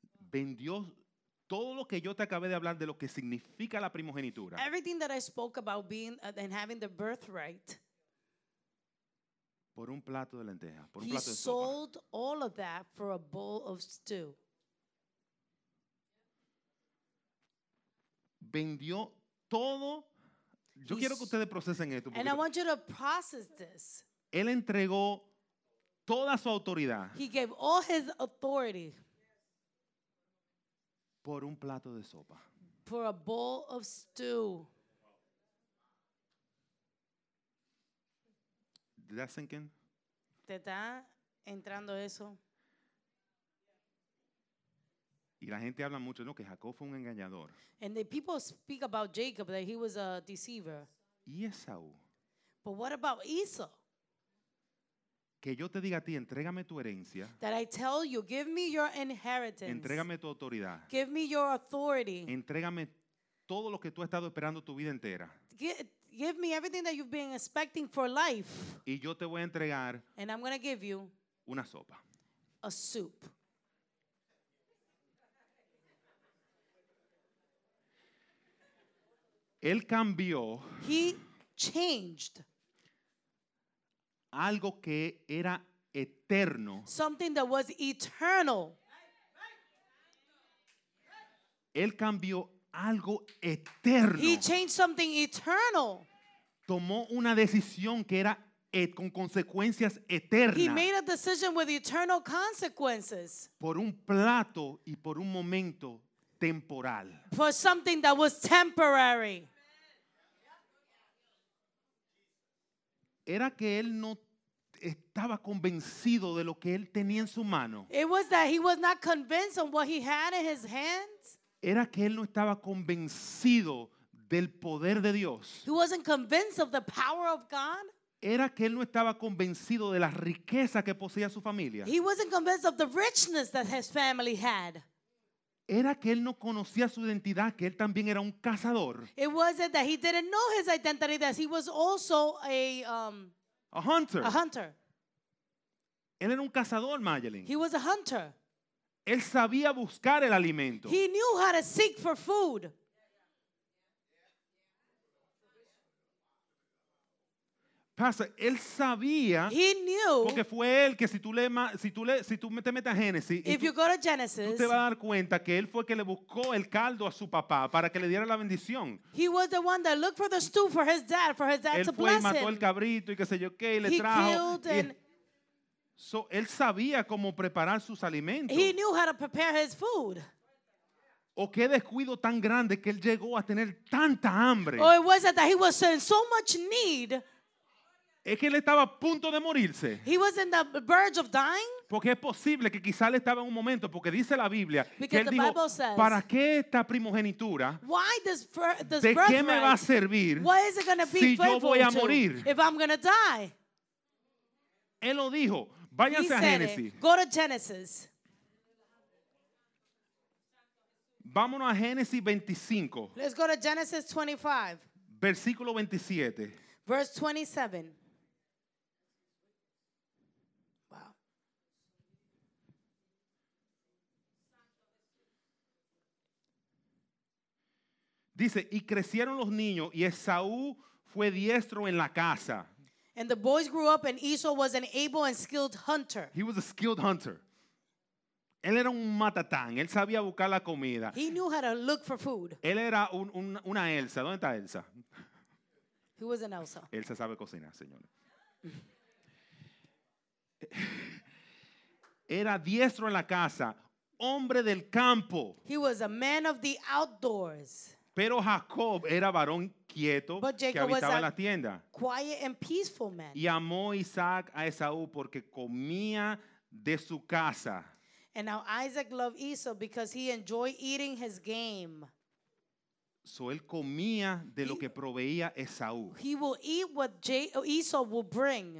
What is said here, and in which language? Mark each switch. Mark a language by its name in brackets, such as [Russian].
[Spanish] Vendió todo lo que yo te acabé de hablar de lo que significa la primogenitura. [English] Everything that I spoke about being and having the birthright. [Spanish] Por un plato de lenteja, por un plato de sopa. [English] He sold all of that for a bowl of stew. [Spanish] Vendió todo. Yo quiero que ustedes procesen esto. [English] And I want you to process this. [Spanish] Él entregó toda su autoridad. [English] He gave all his authority. [Spanish] Por un plato de sopa. [English] For a bowl of stew. Did that sink in? [Spanish] ¿Te está entrando eso? Y la gente habla mucho, ¿no? Que Jacob fue un engañador. [English] And the people speak about Jacob, that he was a deceiver. [Spanish] ¿Y Esaú? [English] But what about Esau? [Spanish] Que yo te diga a ti, entrégame tu herencia. [English] That I tell you, give me your inheritance. [Spanish] Entrégame tu autoridad. [English] Give me your authority. [Spanish] Entrégame todo lo que tú has estado esperando tu vida entera. [English] Give me everything that you've been expecting for life. [Spanish] Y yo te voy a entregar. [English] And I'm going to give you. [Spanish] Una sopa. [English] A soup. [Spanish] Él cambió. [English] He changed. [Spanish] Algo que era eterno. [English] Something that was eternal. [Spanish] Él cambió algo eterno. [English] He changed something eternal. [Spanish] Tomó una decisión que era con consecuencias eternas. [English] He made a decision with eternal consequences. [Spanish] Por un plato y por un momento temporal. [English] For something that was temporary. [Spanish] Era que él no estaba convencido de lo que él tenía en su mano. [English] It was that he was not convinced of what he had in his hands. [Spanish] Era que él no estaba convencido del poder de Dios. [English] He wasn't convinced of the power of God. [Spanish] Era que él no estaba convencido de la riqueza que poseía su familia. [English] He wasn't convinced of the richness that his family had. [Spanish] Era que él no conocía su identidad, que él también era un cazador. [English] It wasn't that he didn't know his identity, that he was also a hunter. A hunter. [Spanish] Él era un cazador, Mayelin. [English] He was a hunter. [Spanish] Él sabía buscar el alimento. [English] He knew how to seek for food. [Spanish] Pasa, él sabía. [English] He knew. [Spanish] Porque fue él que si tú te metes a Génesis. [English] If you go to Genesis. [Spanish] Tú te vas a dar cuenta que él fue que le buscó el caldo a su papá para que le diera la bendición. [English] He was the one that looked for the stew for his dad, for his dad to bless him. [Spanish] Él fue y mató el cabrito y qué sé yo qué y le trajo. [English] He killed and. [Spanish] So, él sabía cómo preparar sus alimentos. [English] He knew how to prepare his food. [Spanish] O qué descuido tan grande que él llegó a tener tanta hambre. [English] Oh, it was that he was in so much need. [Spanish] Es que él estaba a punto de morirse. [English] He was in the verge of dying. [Spanish] Porque es posible que quizá él estaba en un momento, porque dice la Biblia, [English] because [Spanish] que él dijo, [English] Bible says, [Spanish] ¿para qué esta primogenitura? [English] Why does birthright? [Spanish] ¿De qué me va a servir? [English] What is it going to be [Spanish] si yo voy a morir? [English] If I'm going to die. [Spanish] Él lo dijo. Váyanse a Génesis. [English] Go to Genesis. [Spanish] Vámonos a Génesis 25. [English] Let's go to Genesis 25. [Spanish] Versículo 27. [English] Verse 27. [Spanish] Dice, y crecieron los niños, y Esaú fue diestro en la caza. [English] And the boys grew up, and Esau was an able and skilled hunter. He was a skilled hunter. [Spanish] Él era un matatán. Él sabía buscar la comida. [English] He knew how to look for food. [Spanish] Él era una Elsa. ¿Dónde está Elsa? [English] He was an Elsa. [Spanish] Elsa sabe cocinar, señores. Era diestro en la casa. Hombre del campo. [English] He was a man of the outdoors. [Spanish] Pero Jacob era varón quieto que habitaba en la tienda. [English] Quiet and peaceful man. [Spanish] Y amó Isaac a Esaú porque comía de su casa. [English] And now Isaac loved Esau because he enjoyed eating his game. [Spanish] So él comía de lo que proveía Esaú. [English] He will eat what Esau will bring.